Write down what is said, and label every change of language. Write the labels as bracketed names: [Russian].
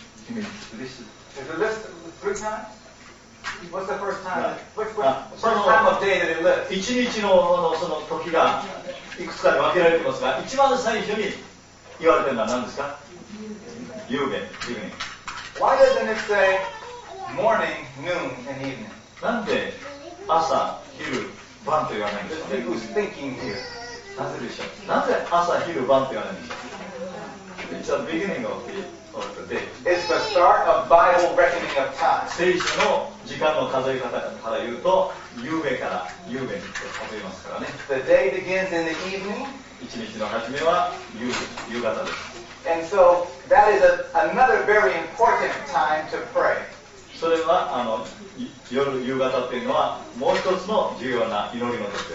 [Japanese] 1日 の, その時がいくつかで分けられていますが、一番最初に言われているのは何ですか？夕べ。 [English] Why doesn't it say morning, noon, and evening? [Japanese] なんで朝、昼、晩と言わないんですか？ [English] Who's thinking here? [Japanese] なぜでしょう？なぜ朝、昼、晩と言わないんですか？ [English] It's the beginning of the, It's the start of Bible reckoning of time. [Japanese] 聖書の時間の数え方から言うと、夕べに数えますからね。 [English] The day begins in the evening. [Japanese] 一日の始めは夕方です。 [English] And so that is another very important time to pray. [Japanese] それは夜夕方っていうのはもう一つの重要な祈りの時です。